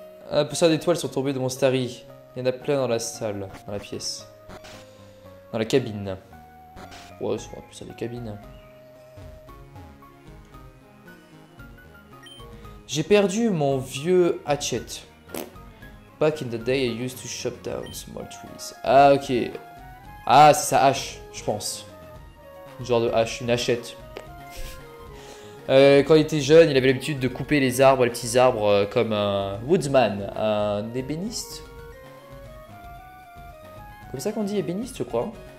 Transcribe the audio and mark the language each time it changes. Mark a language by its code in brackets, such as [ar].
[fr] Ah, poussière d'étoiles sont tombées de mon Starry. Il y en a plein dans la salle, dans la pièce. Dans la cabine. Ouais, ça va plus à des cabines. J'ai perdu mon vieux hatchet. [en] Back in the day, I used to chop down small trees. [fr] Ah, ok. Ah, c'est sa hache, je pense. Une genre de hache, une hachette. Quand il était jeune, il avait l'habitude de couper les arbres, les petits arbres, comme un woodsman, un ébéniste. Comme ça qu'on dit ébéniste, je crois.